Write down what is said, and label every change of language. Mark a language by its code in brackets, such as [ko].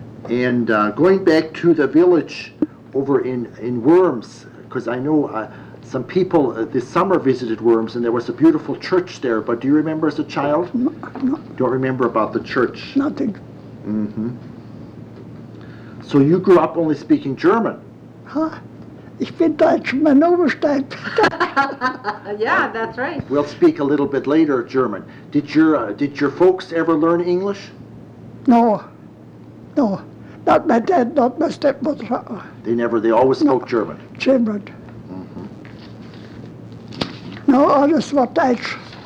[en] And going back to the village over in Worms, because I know some people this summer visited Worms, and there was a beautiful church there, but do you remember as a child? No. Don't remember about the church? Nothing. Mm-hmm. So you grew up only speaking German? Huh? [de] Ich bin Deutsch, mein Name ist Deutsch. [en] Yeah, that's right. We'll speak a little bit later German. Did your folks ever learn English? No. Not my dad, not my stepmother. They always spoke German? German. Mm-hmm. No, [de] alles war Deutsch.